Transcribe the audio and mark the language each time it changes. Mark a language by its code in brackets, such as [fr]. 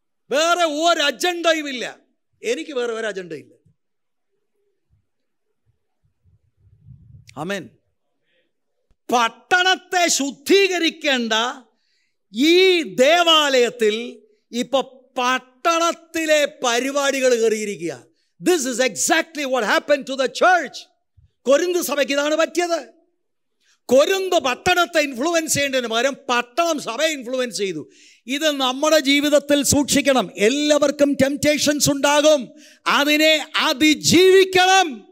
[ml] വേറെ ഒരു അജണ്ടയും ഇല്ല, എനിക്ക് വേറെ ഒരു അജണ്ടയില്ല. ആമേൻ. പട്ടണത്തെ ശുദ്ധീകരിക്കേണ്ട ഈ ദേവാലയത്തിൽ ഇപ്പൊ പട്ടണത്തിലെ പരിപാടികൾ കയറിയിരിക്കുക. [en] This is exactly what happened to the church. [ml] Corinth സഭയ്ക്ക് ഇതാണ് പറ്റിയത്. കൊരിന്ത് പട്ടണത്തെ ഇൻഫ്ലുവൻസ് ചെയ്യേണ്ടതിന് പകരം പട്ടണം സഭയെ ഇൻഫ്ലുവൻസ് ചെയ്തു. ഇത് നമ്മുടെ ജീവിതത്തിൽ സൂക്ഷിക്കണം. എല്ലാവർക്കും ടെംപ്റ്റേഷൻസ് ഉണ്ടാകും, അതിനെ അതിജീവിക്കണം.